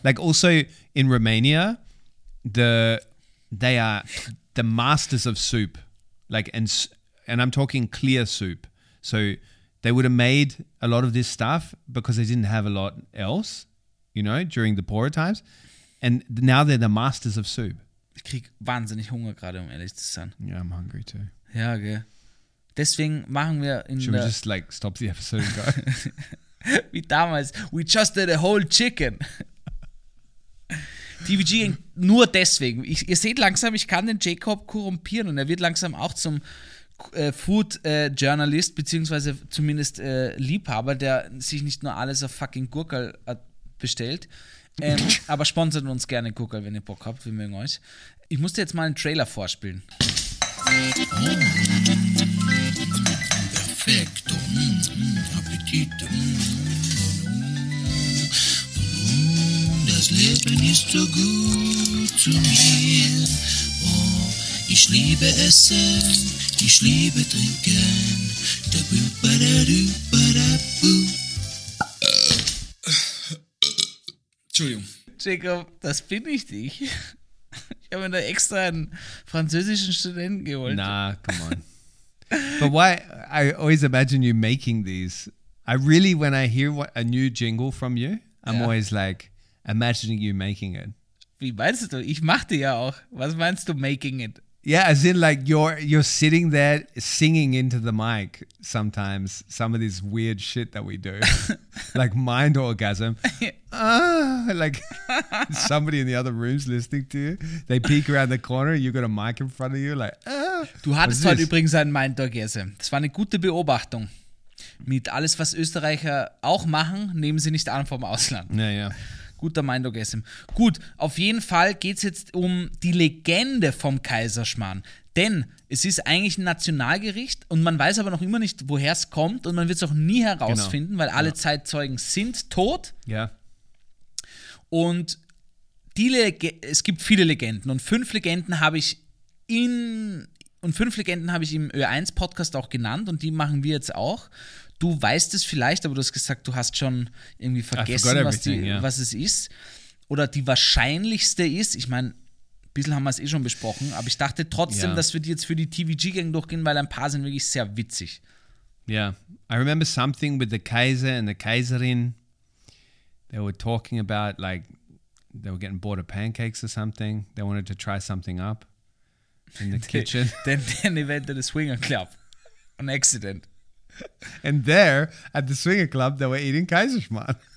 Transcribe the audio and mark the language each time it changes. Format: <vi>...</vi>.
<en>Like also in Romania, they are the masters of soup. Like and I'm talking clear soup. So they would have made a lot of this stuff because they didn't have a lot else, you know, during the poorer times. And now they're the masters of soup.</en> <de>Ich krieg wahnsinnig Hunger gerade, um ehrlich zu sein.</de> <en>Yeah, I'm hungry too.</en> <de>Ja, okay. Deswegen machen wir in</de> <en>Should we just like stop the episode and go?</en> <de>Wie damals.</de> <en>We just did a whole chicken.</en> <de>TVG nur deswegen. Ihr seht langsam, ich kann den Jacob korrumpieren und er wird langsam auch zum Food-Journalist beziehungsweise zumindest Liebhaber, der sich nicht nur alles auf fucking Gurkel bestellt. aber sponsert uns gerne Gurkel, wenn ihr Bock habt. Wir mögen euch. Ich musste jetzt mal einen Trailer vorspielen. Perfekto. Appetit. Das Leben ist so gut zu mir. Oh, ich liebe Essen, ich liebe Trinken. Entschuldigung. Jacob, das bin ich nicht. Ich habe mir da extra einen französischen Studenten geholt.</de> <en>Nah, come on. But why, I always imagine you making these. I really, when I hear a new jingle from you, I'm always like, imagining you making it.</en> <de>Wie meinst du? Ich machte ja auch. Was meinst du,</de> <en>making it? Yeah, as in like, you're sitting there singing into the mic sometimes, some of this weird shit that we do. like mind orgasm. like somebody in the other room's listening to you. They peek around the corner, you got a mic in front of you, like,</en> <de>Du hattest heute übrigens einen Mind Orgasm. Das war eine gute Beobachtung. Mit alles, was Österreicher auch machen, nehmen sie nicht an vom Ausland. Ja, ja. Guter Mindogessen. Gut, auf jeden Fall geht es jetzt um die Legende vom Kaiserschmarrn. Denn es ist eigentlich ein Nationalgericht und man weiß aber noch immer nicht, woher es kommt und man wird es auch nie herausfinden, genau. Weil alle Zeitzeugen sind tot. Ja. Und es gibt viele Legenden und fünf Legenden habe ich im Ö1-Podcast auch genannt und die machen wir jetzt auch. Du weißt es vielleicht, aber du hast gesagt, du hast schon irgendwie vergessen, was es ist. Oder die wahrscheinlichste ist, ich meine, ein bisschen haben wir es eh schon besprochen, aber ich dachte trotzdem, dass wir die jetzt für die TVG-Gang durchgehen, weil ein paar sind wirklich sehr witzig.</de> <en>Ja, yeah. I remember something with the Kaiser and the Kaiserin. They were talking about, like, they were getting bored of pancakes or something. They wanted to try something up in the kitchen. Then they went to the Swinger Club. An accident. And there, at the Swinger Club, they were eating Kaiserschmarrn.</en>